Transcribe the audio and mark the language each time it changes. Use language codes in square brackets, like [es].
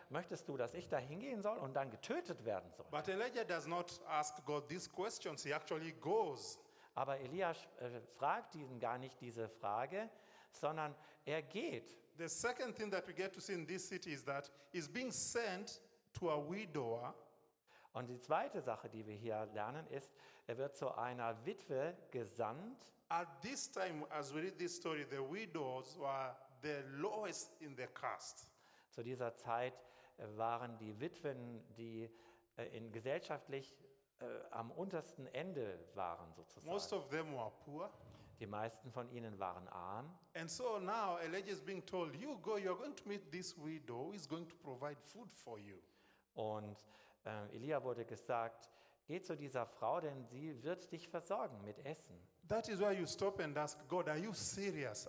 [de] Möchtest du, dass ich da hingehen soll und dann getötet werden soll? [en] But Elijah does not ask God these questions. He actually goes. [de] Aber Elias fragt ihn gar nicht diese Frage, sondern er geht. [en] The second thing that we get to see in this city is that he's being sent to a widower. [de] Und die zweite Sache, die wir hier lernen, ist, er wird zu einer Witwe gesandt. [en] At this time, as we read this story, the widows were the lowest in the caste. [de] Zu dieser Zeit waren die Witwen, die in gesellschaftlich am untersten Ende waren, sozusagen. [en] Most of them were poor. [de] Die meisten von ihnen waren arm. [en] And so now Elijah is being told, you go, you're going to meet this widow who is going to provide food for you. [de] Und Elia wurde gesagt, geh zu dieser Frau, denn sie wird dich versorgen mit Essen. [en] That is where you stop and ask God, are you serious?